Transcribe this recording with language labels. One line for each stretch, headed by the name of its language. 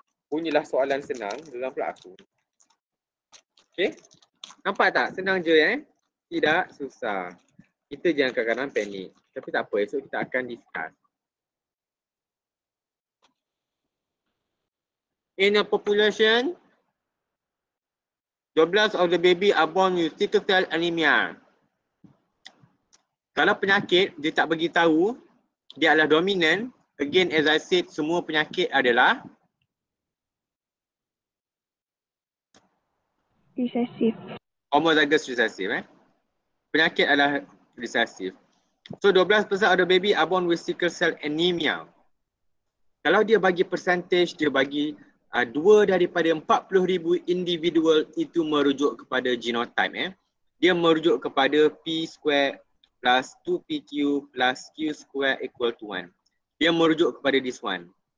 Malay: Bunyilah soalan senang. Dalam pula aku. Okay. Nampak tak? Senang je eh. Tidak susah. Kita jangan kadang-kadang panik. Tapi tak apa. Esok kita akan discuss.
English: In a population, 12 of the baby are born with sickle cell anemia.
Malay: Kalau penyakit dia tak bagi tahu, dia adalah dominan.
English: Again, as I said,
Malay: semua penyakit adalah
English: recessive. Homozygous recessive, eh?
Malay: Penyakit adalah recessive.
English: So 12% of the baby are born with sickle cell anemia.
Malay: Kalau dia bagi percentage, dia bagi 2 daripada 40,000 individual, itu merujuk kepada genotype, eh. Dia merujuk kepada
English: P square plus 2PQ plus Q square equal to 1.
Malay: Dia merujuk kepada
English: this one.